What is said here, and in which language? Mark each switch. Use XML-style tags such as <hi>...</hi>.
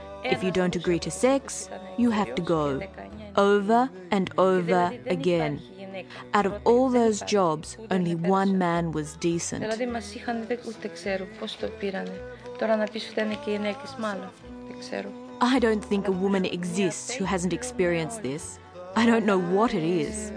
<en>If you don't agree to sex, you have to go. Over and over again. Out of all those jobs, only one man was decent.</en> <el>Δηλαδή μας είχαν, ούτε ξέρω πώς το πήρανε. Τώρα να πεις ότι είναι και γυναίκες, μάλλον. Δεν ξέρω.</el> <en>I don't think a woman exists who hasn't experienced this. I don't know what it is.</en>